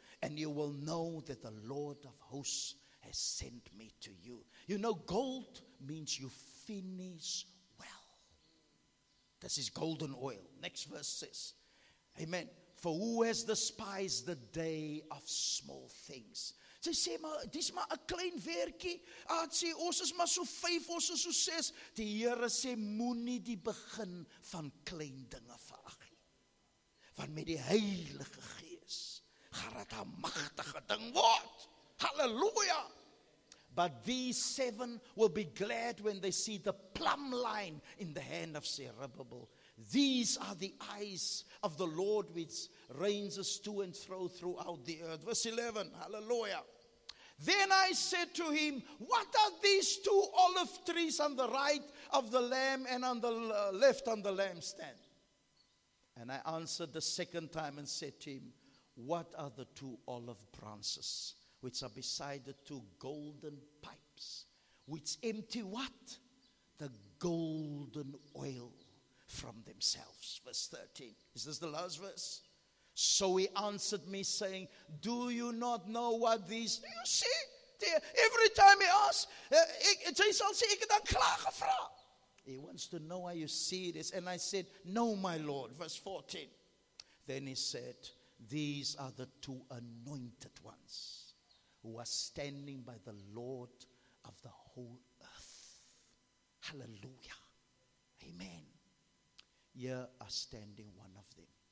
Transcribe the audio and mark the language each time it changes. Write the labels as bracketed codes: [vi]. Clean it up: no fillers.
[en] And you will know that the Lord of hosts has sent me to you. You know, gold means you finish well. This is golden oil. Next verse says, amen. For who has despised the day of small things? [af] Sy sê, maar dis maar 'n klein weertjie. Aad sê, ons is maar so 5, ons is so 6. Die Here sê, moenie die begin van klein dinge verag nie. Want met die Heilige Gees gaan dit 'n magtige ding word. Halleluja! [en] But these seven will be glad when they see the plumb line in the hand of Zerubbabel. These are the eyes of the Lord which ranges to and fro throughout the earth. Verse 11, hallelujah. Then I said to him, what are these two olive trees on the right of the lamb and on the left on the lampstand? And I answered the second time and said to him, what are the two olive branches which are beside the two golden pipes, which empty what? The golden oil from themselves. Verse 13. Is this the last verse? So he answered me, saying, do you not know what these... Do you see? Every time he asks, Jesus says, [af] ik het dan klaar gevra. [en] He wants to know how you see this. And I said, no, my Lord. Verse 14. Then he said, these are the two anointed ones who are standing by the Lord of the whole earth. Hallelujah. Amen. Here are standing one of them.